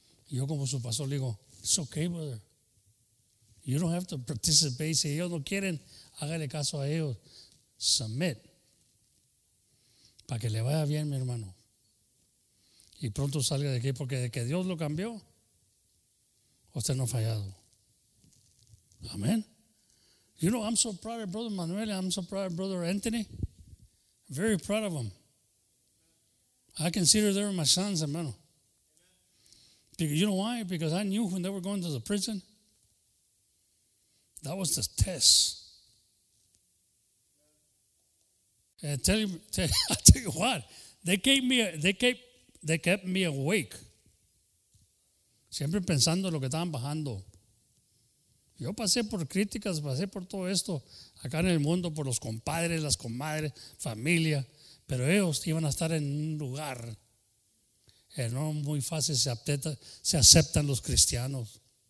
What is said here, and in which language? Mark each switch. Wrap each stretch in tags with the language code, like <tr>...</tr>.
<es>Yo como su pastor le digo,</es> <en>it's okay, brother. You don't have to participate.</en> <es>Si ellos no quieren, hágale caso a ellos. Submit. Para que le vaya bien, mi hermano. Y pronto salga de aquí, porque de que Dios lo cambió, usted no ha fallado. Amén.</es> <en>You know, I'm so proud of brother Manuel. I'm so proud of brother Anthony. Very proud of them. I consider them my sons, hermano. Because, you know why? Because I knew when they were going to the prison, that was the test. And I tell you what, they kept me awake.</en> <es>Siempre pensando lo que estaban bajando. Yo pasé por críticas, pasé por todo esto acá en el mundo, por los compadres, las comadres, familia, pero ellos iban a estar en un lugar que no muy fácil se aceptan los cristianos.</es>